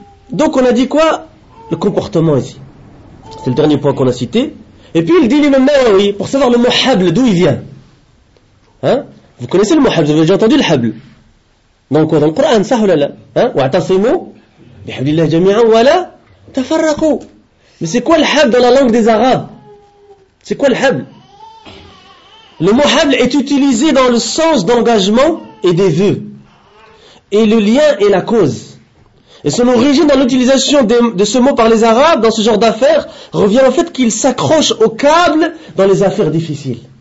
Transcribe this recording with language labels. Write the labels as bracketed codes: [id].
[fr] Donc on a dit quoi? Le comportement ici. C'est le dernier point qu'on a cité. Et puis il dit l'imam Nawawi, pour savoir le mot hable, d'où il vient. Hein? Vous connaissez le mot hable, vous avez déjà entendu le hable. Dans le Coran, ça ou là? Hein? Wa'tasimu [ar] بحبل الله جميعا ولا تفرقوا. [fr] Mais c'est quoi le hable dans la langue des Arabes? C'est quoi le hable? Le mot hable est utilisé dans le sens d'engagement et des vœux. Et le lien est la cause. Et son origine dans l'utilisation de ce mot par les Arabes dans ce genre d'affaires revient au fait qu'ils s'accrochent au câble dans les affaires difficiles.